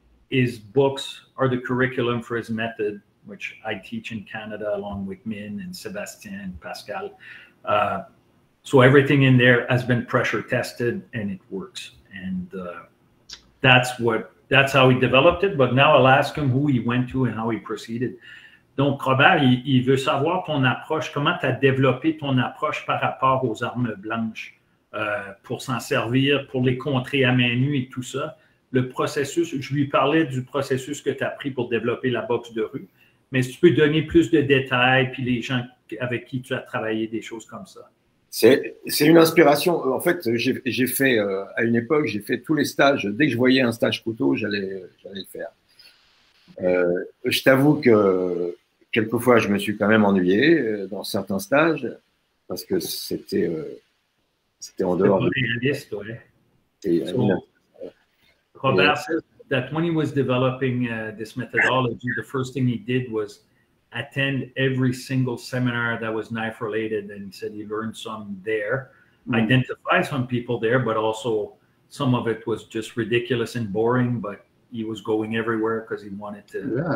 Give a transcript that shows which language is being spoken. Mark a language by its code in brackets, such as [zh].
[en] His books are the curriculum for his method, which I teach in Canada along with Min and Sebastian and Pascal. So everything in there has been pressure tested and it works. And that's how he developed it. But now I'll ask him who he went to and how he proceeded. [fr] Donc, Robert, il veut savoir ton approche, comment tu as développé ton approche par rapport aux armes blanches pour s'en servir, pour les contrer à main nue et tout ça. Le processus, je lui parlais du processus que tu as pris pour développer la boxe de rue, mais si tu peux donner plus de détails, puis les gens avec qui tu as travaillé des choses comme ça? C'est une inspiration. En fait, j'ai fait, à une époque, j'ai fait tous les stages. Dès que je voyais un stage couteau, j'allais le faire. Je t'avoue que quelquefois, je me suis quand même ennuyé dans certains stages parce que c'était en dehors. C'était pas réaliste, ouais. [en] Robert said that when he was developing this methodology, the first thing he did was attend every single seminar that was knife related, and he said he learned some there, identify some people there, but also some of it was just ridiculous and boring, but he was going everywhere because he wanted to